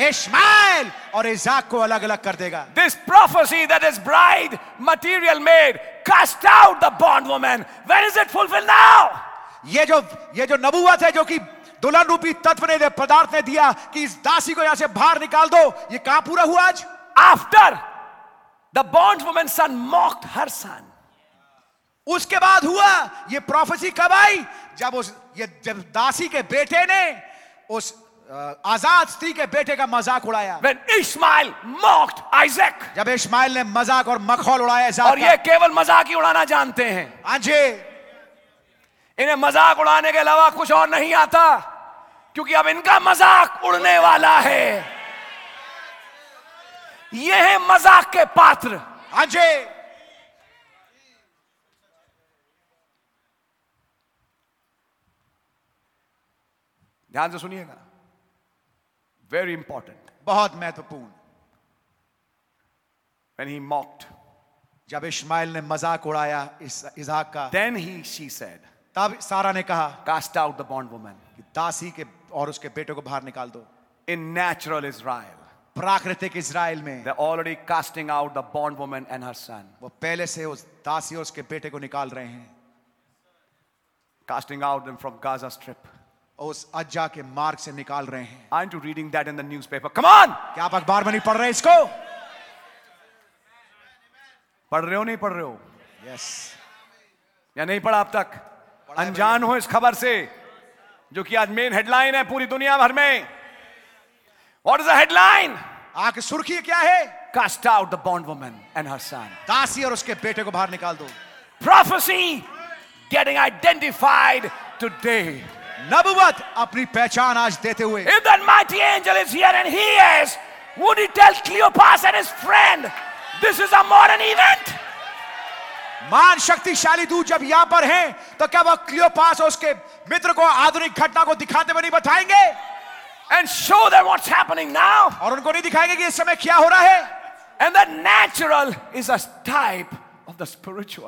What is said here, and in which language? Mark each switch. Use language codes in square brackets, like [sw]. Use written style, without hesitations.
[hi] Ishmael और इज़ाक को अलग अलग कर देगा, [en] this prophecy that is bride material made cast out the bond woman, when is it fulfilled now, [hi] ये जो नबुवत है जो कि दुल्हन रूपी तत्व ने पदार्थ ने दिया कि इस दासी को यहां से बाहर निकाल दो, ये कहां पूरा हुआ आज, [en] After the bondwoman's son mocked her son, [hi] उसके बाद हुआ ये prophecy कब आई, जब उस ये जब दासी के बेटे ने उस आजाद स्त्री के बेटे का मजाक उड़ाया, [en] when Ishmael mocked Isaac, [hi] जब इश्माइल ने मजाक और मखौल उड़ाया इज़ाक, और ये केवल मजाक ही उड़ाना जानते हैं, हाँ जी, इन्हें मजाक उड़ाने के अलावा कुछ और नहीं आता, क्योंकि अब इनका मजाक उड़ने वाला है, ये है मजाक के पात्र, अजय ध्यान से सुनिएगा, [en] very important, [hi] बहुत महत्वपूर्ण, [en] when he mocked, [hi] जब इश्माइल ने मजाक उड़ाया इज़ाक का, [en] then he she said, [hi] तब सारा ने कहा, [en] cast out the bond woman, [hi] दासी के और उसके बेटे को बाहर निकाल दो, [en] in natural Israel, [hi] प्राकृतिक इज़राइल में, [en] they're already casting out the bond woman and her son, [hi] वो पहले से उस दासी और उसके बेटे को निकाल रहे हैं, [en] casting out them from Gaza Strip, [hi] उस अज्जा के मार्ग से निकाल रहे हैं, [en] aren't you reading that in the newspaper, come on, [hi] क्या आप अखबार में नहीं पढ़ रहे इसको, पढ़ रहे हो नहीं पढ़ रहे हो, [en] yes, [hi] या नहीं पढ़ा अब तक, अनजान हो इस खबर से जो कि आज मेन हेडलाइन है पूरी दुनिया भर में, [en] What is the headline? [hi] आके सुर्खी क्या है? [en] Cast out the bondwoman and her son. [hi] दासी और उसके बेटे को बाहर निकाल दो. [en] Prophecy getting identified today. [hi] नबुवत अपनी पहचान आज देते हुए. [en] If that mighty angel is here and he is, would he tell Cleopas and his friend, this is a modern event? [hi] मान शक्तिशाली दूत जब यहां पर हैं, तो क्या वह क्लियोपास और उसके मित्र को आधुनिक घटना को दिखाते हुए नहीं बताएंगे? [en] And show them what's happening now. [hi] और उनको नहीं दिखाएंगे कि इस समय क्या हो रहा है? [en] And the natural is a type of the spiritual.